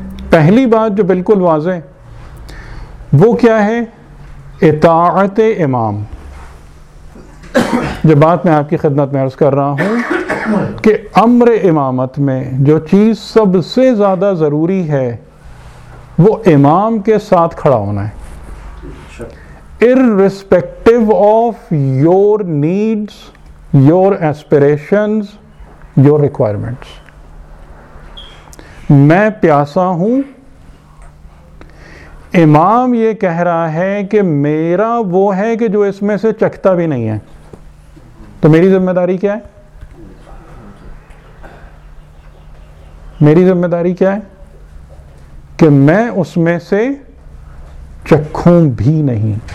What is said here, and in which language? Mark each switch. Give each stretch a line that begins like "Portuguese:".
Urdu: پہلی بات جو بالکل واضح وہ کیا ہے؟ اطاعت امام. جو بات میں آپ کی خدمت میں عرض کر رہا ہوں کہ امر امامت میں جو چیز سب سے زیادہ ضروری ہے وہ امام کے ساتھ کھڑا ہونا ہے.
English: Irrespective of your needs, your aspirations, your requirements.
Urdu: میں پیاسا ہوں, امام یہ کہہ رہا ہے کہ میرا وہ ہے کہ جو اس میں سے چکھتا بھی نہیں ہے, تو میری ذمہ داری کیا ہے؟ میری ذمہ داری کیا ہے کہ میں اس میں سے چکھوں بھی نہیں.